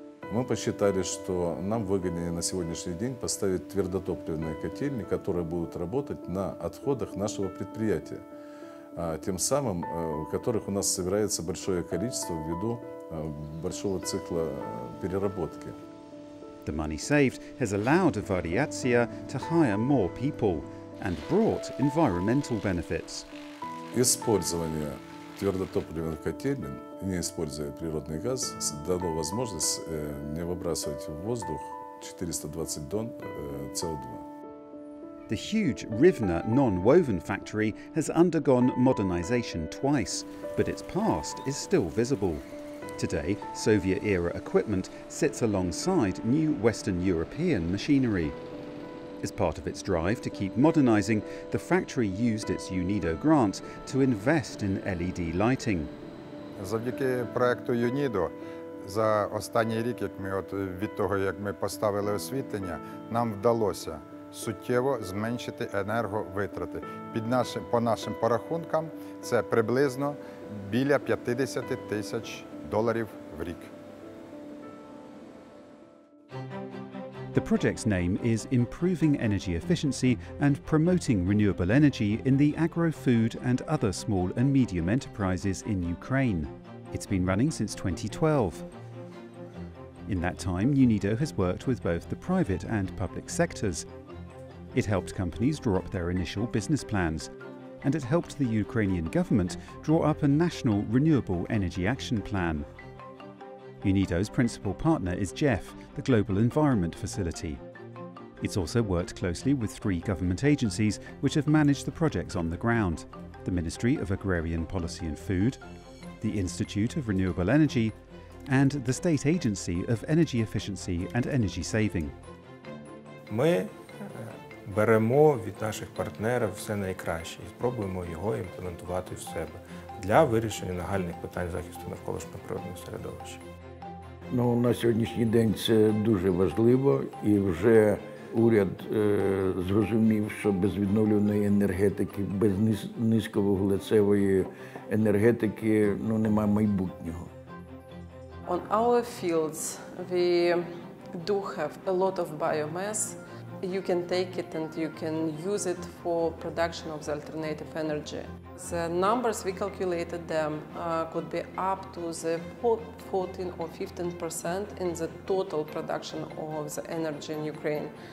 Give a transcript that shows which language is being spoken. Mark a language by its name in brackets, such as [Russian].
[Russian] Мы посчитали, что нам выгоднее на сегодняшний день поставить твердотопливные котельни, которые будут работать на отходах нашего предприятия, тем самым у которых у нас собирается большое количество ввиду большого цикла переработки. [English] The money saved has allowed Variazia to hire more people and brought environmental benefits. [Russian] Использование твердотопливных котельн, не используя природный газ, дало возможность не выбрасывать в воздух 420 тонн CO2. [English] The huge Rivne non-woven factory has undergone modernization twice, but its past is still visible. Today, Soviet-era equipment sits alongside new Western European machinery. As part of its drive to keep modernizing, the factory used its UNIDO grant to invest in LED lighting. [Ukrainian] Завдяки проекту UNIDO за останній рік, як ми от від того, як ми поставили освітлення, нам вдалося суттєво зменшити енерговитрати. Під нашим по нашим порахункам це приблизно біля 50 тисяч доларів в рік. [English] The project's name is Improving Energy Efficiency and Promoting Renewable Energy in the Agro-Food and Other Small and Medium Enterprises in Ukraine. It's been running since 2012. In that time, UNIDO has worked with both the private and public sectors. It helped companies draw up their initial business plans, and it helped the Ukrainian government draw up a national renewable energy action plan. UNIDO's principal partner is GEF, the Global Environment Facility. It's also worked closely with three government agencies which have managed the projects on the ground: the Ministry of Agrarian Policy and Food, the Institute of Renewable Energy, and the State Agency of Energy Efficiency and Energy Saving. [Ukrainian] Ми беремо від наших партнерів все найкраще і спробуємо його імплементувати в себе для вирішення нагальних питань захисту навколишнього природного середовища. Ну, на сьогоднішній день це дуже важливо, і вже уряд зрозумів, що без відновлюваної енергетики, без низьковуглецевої енергетики, ну, немає майбутнього. [English] On our fields we do have a lot of biomass. You can take it and you can use it for production of the alternative energy. The numbers, we calculated them, could be up to the 14 or 15% in the total production of the energy in Ukraine.